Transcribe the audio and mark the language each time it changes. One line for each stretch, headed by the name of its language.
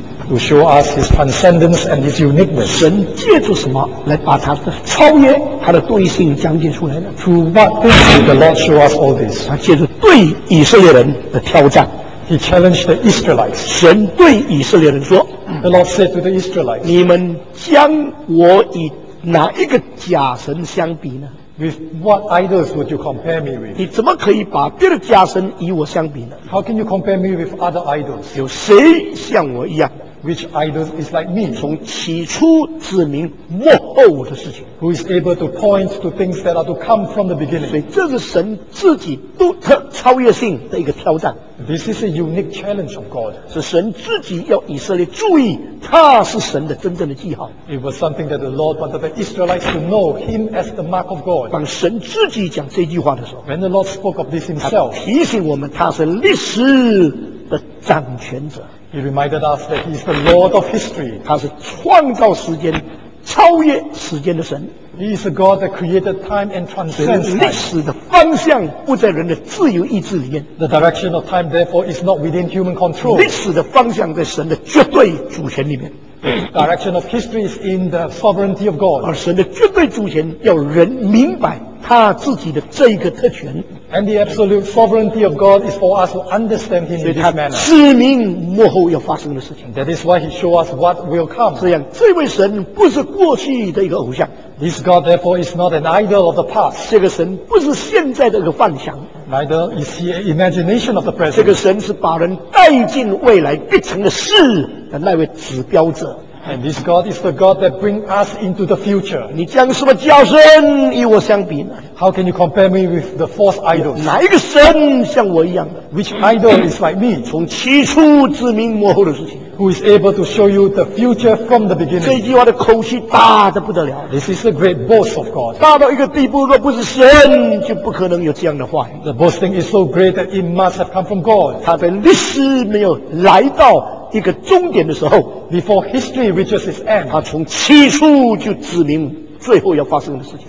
English: To show us His transcendence and His uniqueness.
Chinese: 神借助什么来把他的超越、他的独一性讲解出来呢？
English: Through what did the Lord show us all this?
Chinese: 他借助对以色列人的挑战。
English: He challenged the Israelites.
Chinese: 神对以色列人说
English: ，The Lord said to the Israelites,
Chinese: 你们将我与哪一个假神相比呢？
English: With what idols would you compare me with?
Chinese: 你怎么可以把别的假神与我相比呢？
English: How can you compare me with other idols?
Chinese: 有谁像我一样？
English: Which idol is like me?
Chinese: 从起初指明末后的事情。
English: Who is able to point to things that are to come from the beginning?
Chinese: 所以这是神自己独特超越性的一个挑战。
English: This is a unique challenge of God.
Chinese: 是神自己要以色列注意，他是神的真正的记号。
English: It was something that the Lord wanted the Israelites to know Him as the mark of God.
Chinese: 当神自己讲这句话的时候
English: ，When the Lord spoke of this Himself,
Chinese: 提醒我们他是历史的掌权者。
English: He reminded us that He is the Lord of history.
Chinese: 他是创造时间、超越时间的神。
English: He is a God that created time and transcends time.
Chinese: 历史的方向不在人的自由意志里面。
English: The direction of time, therefore, is not within human control.
Chinese: 历史的方向在神的绝对主权里面。
English: The direction of history is in the sovereignty of God.
Chinese: 而神的绝对主权要人明白他自己的这一个特权。
English: And the absolute sovereignty of God is for us to understand Him in this manner.
Chinese: 指明幕后要发生的事情。
English: That is why He show us what will come.
Chinese: 这样，这位神不是过去的一个偶像。
English: This God, therefore, is not an idol of the past.
Chinese: 这个神不是现在的一个幻想。
English: Neither is He an imagination of the present.
Chinese: 这个神是把人带进未来必成的事的那位指标者。
English: And this God is the God that brings us into the future.
Chinese: 你将什么叫神与我相比呢？
English: How can you compare me with the false idols?
Chinese: 哪一个神像我一样的？
English: Which idol is like me?
Chinese: 从起初指明幕后的事情。
English: Who is able to show you the future from the beginning?
Chinese: 这句话的口气大得不得了。
English: This is the great boast of God.
Chinese: 大到一个地步，若不是神，就不可能有这样的话。
English: The boasting is so great that it must have come from God.
Chinese: 他的历史没有来到一个终点的时候
English: ，before history reaches its end，
Chinese: 他从起初就指明最后要发生的事情。